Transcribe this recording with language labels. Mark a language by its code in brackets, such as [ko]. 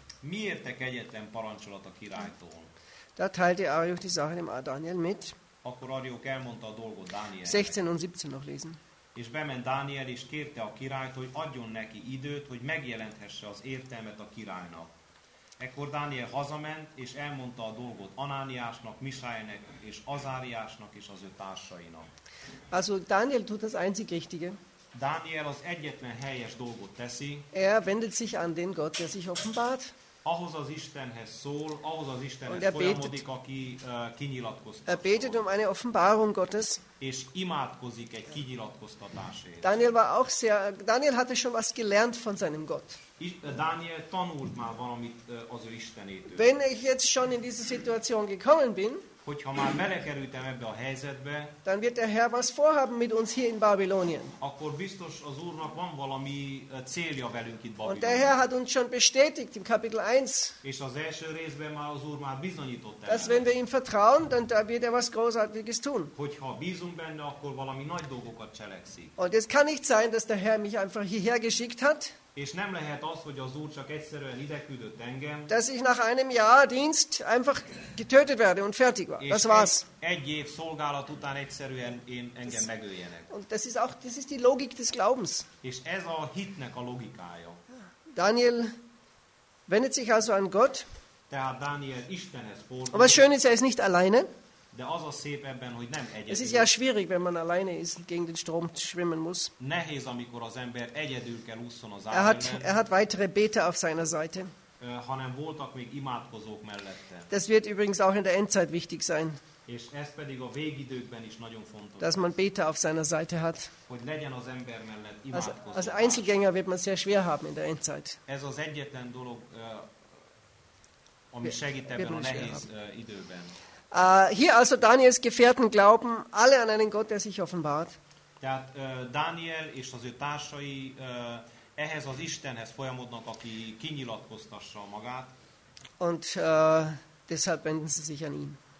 [hu] Miért a kegyetlen parancsolat a királytól? [de] Da teilte Arióch die Sache dem Daniel mit. [hu] Akkor Arióch elmondta a dolgot Dánielnek. [de] 16 und 17 noch lesen. [hu] És bement Dániel, és kérte a királyt, hogy adjon neki időt, hogy megjelenthesse az értelmet a királynak. Ekkor Dániel hazament, és elmondta a dolgot Anániásnak, Misájnek, és Azáriásnak, és az ő társainak. [de] Also Daniel tut das einzig Richtige. [hu] Dániel az egyetlen helyes dolgot teszi. [de] Er wendet sich an den Gott, der sich offenbart. [hu] Ahhoz az Istenhez szól, ahhoz az Istenhez folyamodik, aki kinyilatkoztatja. [de] Er betet um eine Offenbarung Gottes. [hu] És imádkozik egy kinyilatkoztatásért. [de] Daniel war auch sehr, Daniel hatte schon was gelernt von seinem Gott. [hu] Daniel tanult már valamit az ő Istenétől. [de] Wenn ich jetzt schon in diese Situation gekommen bin, [hu] hogyha már belekerültem ebbe a helyzetbe, [de] dann wird der Herr was vorhaben mit uns hier in Babylonien. [hu] Akkor biztos az Úrnak van valami célja velünk itt Babilonban. [de] Und der Herr hat uns schon bestätigt im Kapitel 1. [hu] És az első részben már az Úr már bizonyított [de] el. Dass wenn wir ihm vertrauen, dann da wird er was Großartiges tun. [hu] Hogyha bízunk benne, akkor valami nagy dolgokat cselekszik. [de] Und es kann nicht sein, dass der Herr mich einfach hierher geschickt hat. [hu] És nem lehet az, hogy az Úr csak egyszerűen ide küldött engem. [de] Dass ich nach einem Jahr Dienst einfach getötet werde und fertig war. Das war's. [hu] Egy év szolgálat után egyszerűen én engem megöljenek. [de] Und das ist die Logik des Glaubens. [hu] És ez a hitnek a logikája. [de] Daniel wendet sich also an Gott. [hu] Tehát Daniel Istenhez fordult. [de] Aber schön ist, er ist nicht alleine. [hu] De az a szép ebben, hogy nem egyedül. [de] Es ist ja schwierig, wenn man alleine ist, gegen den Strom schwimmen muss. [hu] Nehéz, amikor az ember egyedül kell ússzon az Ádennen. [de] Er hat weitere Beter auf seiner Seite. [hu] Hanem voltak még imádkozók mellette. [de] Das wird übrigens auch in der Endzeit wichtig sein. [hu] És ez pedig a végidőkben is nagyon fontos. [de] Dass man Beter auf seiner Seite hat. [hu] Hogy legyen az ember mellett imádkozó. [de] Az Einzelgänger wird man sehr schwer haben in der Endzeit. [hu] Ez az egyetlen dolog, ami segít ebben a nehéz időben. [de] Hier also Daniels Gefährten glauben alle an einen Gott, der sich offenbart. [hu] Tehát Daniel és az ő társai ehhez az Istenhez folyamodnak, aki kinyilatkoztassa magát. [de] Und deshalb wenden sie sich an ihn.